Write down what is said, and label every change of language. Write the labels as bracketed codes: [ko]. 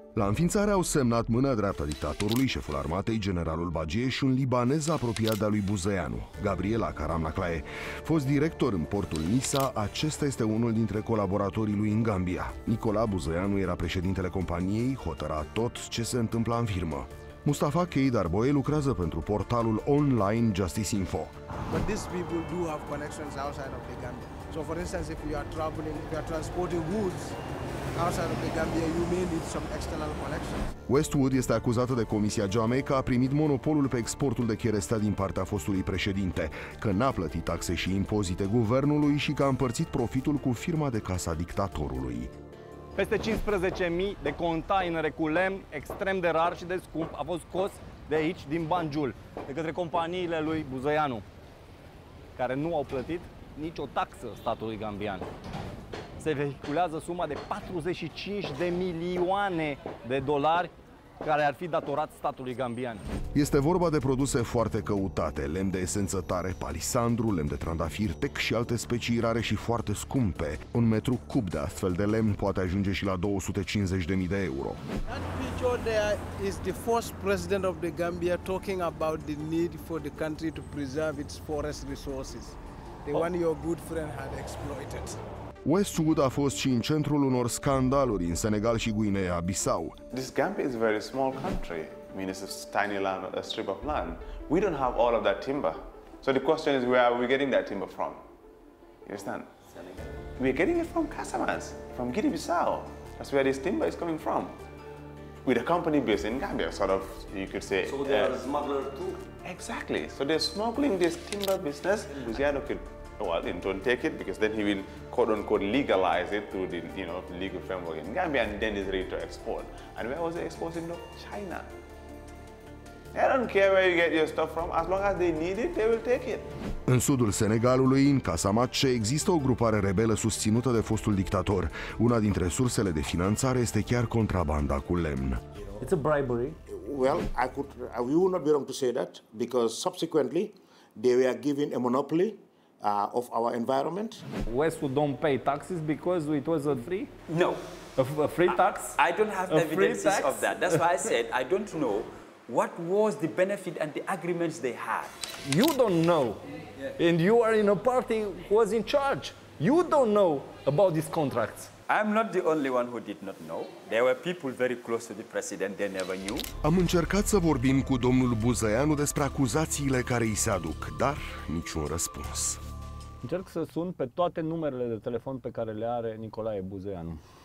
[ro] La înființare au semnat mâna dreaptă dictatorului, șeful armatei, generalul Bagie și un libanez apropiat de-a lui Buzăianu, Gabriela Karamnaklaye. Fost director în portul Nisa, acesta este unul dintre colaboratorii lui în Gambia. Nicola Buzăianu era președintele companiei, hotăra tot ce se întâmpla în firmă. Mustafa Keidar Boye lucrează pentru portalul online Justice Info. [en] But these people do have connections outside of the Gambia. So for instance, if you are traveling, if you are transporting goods outside of the Gambia, you may need some external connections. [ro] Westwood este acuzată de Comisia Geame că a primit monopolul pe exportul de cherestea din partea fostului președinte, că n-a plătit taxe și impozite guvernului și că a împărțit profitul cu firma de casa dictatorului. Peste 15.000 de containere cu lemn extrem de rar și de scump a fost scos de aici, din Banjul, de către companiile lui Buzăianu, care nu au plătit nicio taxă statului gambian. Se vehiculează suma de 45 de milioane de dolari care ar fi datorat statului gambian. Este vorba de produse foarte căutate, lemn de esență tare, palisandru, lemn de trandafir, tec și alte specii rare și foarte scumpe. Un metru cub de astfel de lemn poate ajunge și la 250.000 de euro. [en] That picture there is the first president of the Gambia talking about the need for the country to preserve its forest resources. The one your good friend had exploited. [ro] Westwood a fost și în centrul unor scandaluri în Senegal și Guinea-Bissau. [en] This Gambia is a very small country. I mean, it's a tiny land, a strip of land. We don't have all of that timber. So the question is, where are we getting that timber from? You understand? Senegal. We're getting it from Casamance, from Guinea-Bissau. That's where this timber is coming from. With a company based in Gambia, sort of, you could say. So they are a smuggler too? Exactly. So they're smuggling this timber business. Luciano could, well, then don't take it, because then he will, quote-unquote, legalize it through the, you know, legal framework in Gambia, and then he's ready to export. And where was he exporting to? China. I don't care where you get your stuff from, as long as they need it, they will take it. [ro] În sudul Senegalului, în Casamance, există o grupare rebelă susținută de fostul dictator. Una dintre sursele de finanțare este chiar contrabanda cu lemn. [en] It's a bribery. Well, we would not be wrong to say that, because subsequently, they were given a monopoly of our environment. Westwood don't pay taxes because it was a free? No. A free tax? I don't have evidence of that. That's why I said I don't know what was the benefit and the agreements they had. You don't know. Yeah. And you are in a party who was in charge. You don't know about these contracts. I'm not the only one who did not know. There were people very close to the president, they never knew. [ro] Am încercat să vorbim cu domnul Buzăianu despre acuzațiile care îi se aduc, dar niciun răspuns. Încerc să sun pe toate numerele de telefon pe care le are Nicolae Buzăianu.